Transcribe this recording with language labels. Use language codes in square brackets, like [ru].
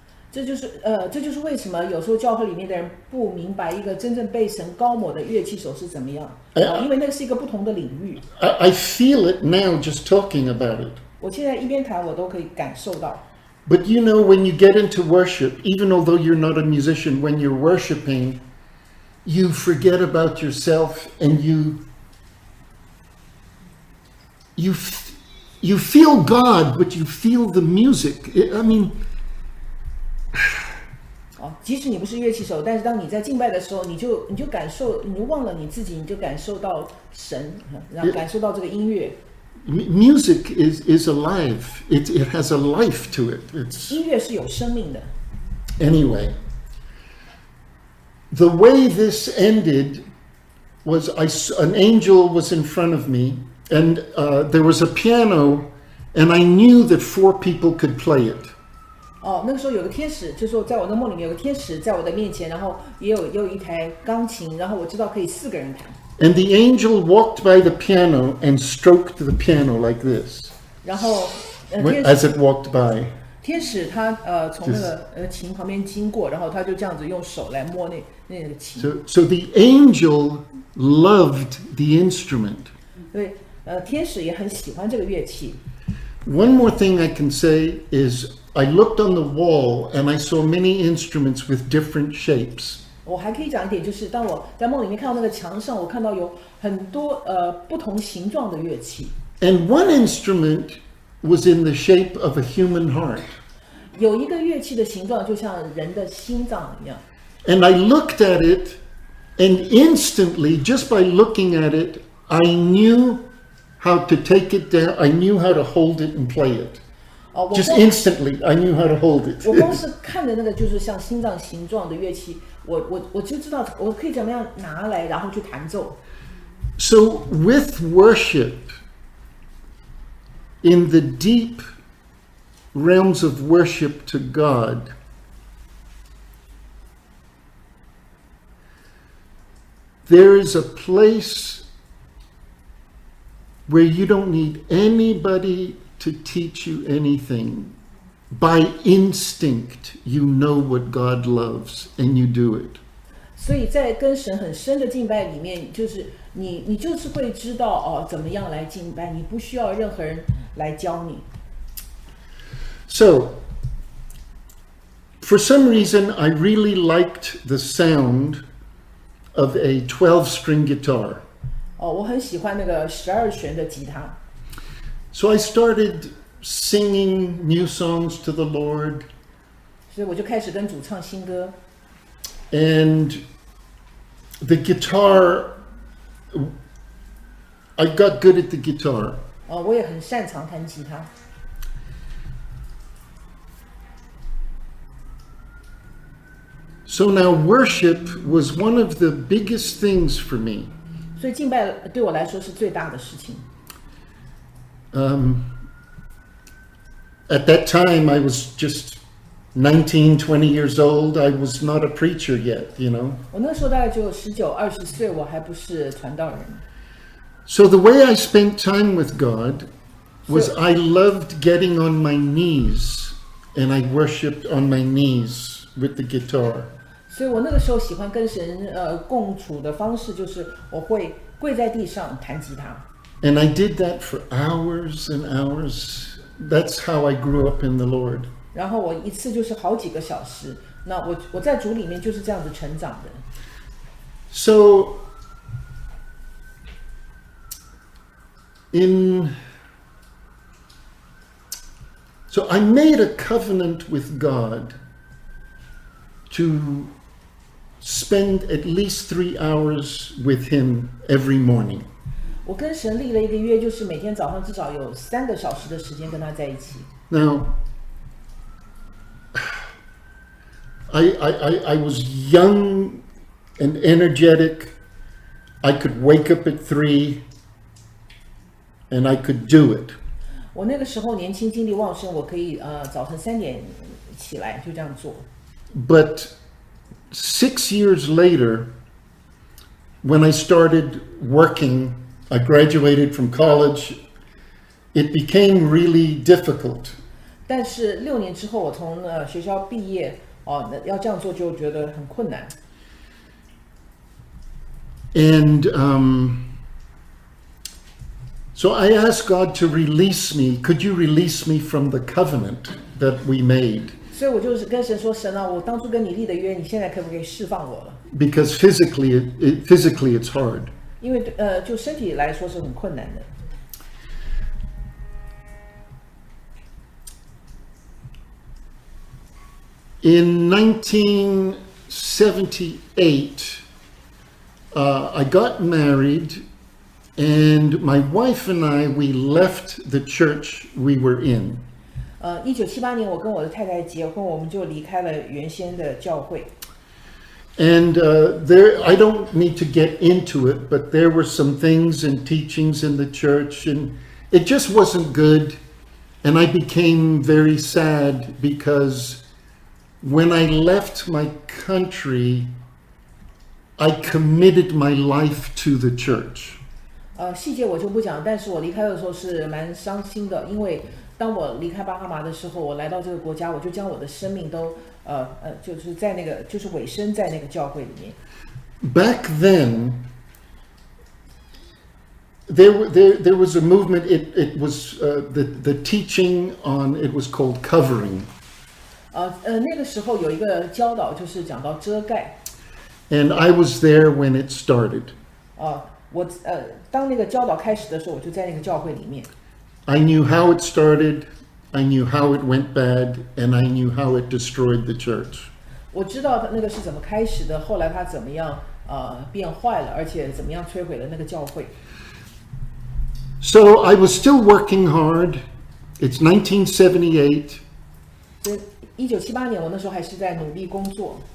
[zh] 这就是为什么有时候教会里面的人不明白一个真正被神高抹的乐器手是怎么样，因为那是一个不同的领域。 [en] I feel it now just talking about it. [zh] 我现在一边谈我都可以感受到。 [en] But you know, when you get into worship, even although you're not a musician, when you're worshiping, you forget about yourself and you feel God, but you feel the music. I mean, [zh] 即使你不是乐器手，但是当你在敬拜的时候，你就感受，你就忘了你自己，你就感受到神，然后感受到这个音乐。 [en] Music is alive. It has a life to it. It's [zh] 音乐是有生命的。 [en] Anyway, the way this ended was an angel was in front of me. And there was a piano, and I knew that 4 people could play it. [zh] 那个时候有个天使，就是在我的梦里面有个天使在我的面前，然后也有一台钢琴，然后我知道可以四个人弹。 [en] And the angel walked by the piano and stroked the piano like this. [zh] 然后， [en] as it walked by. [zh] 天使他从那个琴旁边经过，然后他就这样子用手来摸那个琴。 [en] So the angel loved the instrument. [zh] 对。天使也很喜欢这个乐器。 [en] One more thing I can say is I looked on the wall and I saw many instruments with different shapes. [zh] 我还可以讲一点，就是当我在梦里面看到那个墙上，我看到有很多不同形状的乐器。 [en] And one instrument was in the shape of a human heart. [zh] 有一个乐器的形状就像人的心脏一样。 [en] And I looked at it And instantly, just by looking at it, I knew how to take it down. I knew how to hold it and play it. Just instantly, I knew how to hold it. [zh] 我光是看的那个就是像心脏形状的乐器，我就知道我可以怎么样拿来，然后去弹奏。 [en] So with worship, in the deep realms of worship to God, there is a place where you don't need anybody to teach you anything. By instinct, you know what God loves, and you do it. [zh] 所以在跟神很深的敬拜里面，就是你就是会知道哦，怎么样来敬拜，你不需要任何人来教你。 [en] So, for some reason, I really liked the sound of a 12-string guitar. [zh] Oh, 我很喜欢那个十二弦的吉他。 [en] So I started singing new songs to the Lord. [zh] 所以我就开始跟主唱新歌。 [en] And the guitar, I got good at the guitar. [zh] Oh, 我也很擅长弹吉他。 [en] So now worship was one of the biggest things for me. [zh] 所以敬拜对我来说是最大的事情。 [en] At that time, I was just 19, 20 years old. I was not a preacher yet, you know. [zh] 我那时候大概只有19、20岁，我还不是传道人。 [en] So the way I spent time with God was I loved getting on my knees and I worshipped on my knees with the guitar. [zh] 所以我那个时候喜欢跟神共处的方式就是我会跪在地上弹吉他。 [en] And I did that for hours and hours. That's how I grew up in the Lord. [zh] 然后我一次就是好几个小时，那我在主里面就是这样子成长的。 [en] So, I made a covenant with God to spend at least 3 hours with him every morning. [zh] 我跟神立了一个约，就是每天早上至少有三个小时的时间跟他在一起。 [en] Now, I was young and energetic. I could wake up at 3 and I could do it. [zh] 我那个时候年轻精力旺盛，我可以早晨三点起来就这样做。 [en] But 6 years later, when I started working, I graduated from college, it became really difficult. [zh] 但是六年之后我从学校毕业，要这样做就觉得很困难。 [en] And so I asked God to release me. Could you release me from the covenant that we made? [zh] 所以我就是跟神说，神啊，我当初跟你立的约，你现在可不可以释放我了 [en] ？Because physically it's hard. [zh] 因为就身体来说是很困难的。 [en] In 1978, I got married, and my wife and I we left the church we were in. [zh] 1978年我跟我的太太结婚，我们就离开了原先的教会。 [en] And there, I don't need to get into it, but there were some things and teachings in the church, and it just wasn't good. And I became very sad because when I left my country, I committed my life to the church. [zh] 细节我就不讲，但是我离开的时候是蛮伤心的，因为当我离开巴哈马的时候，我来到这个国家，我就将我的生命都就是在那个就是委身在那个教会里面。 [en] Back then, there was a movement. It was the teaching on it was called covering. [zh] 那个时候有一个教导就是讲到遮盖。 [en] And I was there when it started. [zh] 我当那个教导开始的时候，我就在那个教会里面。 [en] I knew how it started, I knew how it went bad, and I knew how it destroyed the church. [zh] 我知道那个是怎么开始的，后来它怎么样，变坏了，而且怎么样摧毁了那个教会。 [en] So I was still working hard. It's 1978. [zh] 1978年，我那时候还是在努力工作。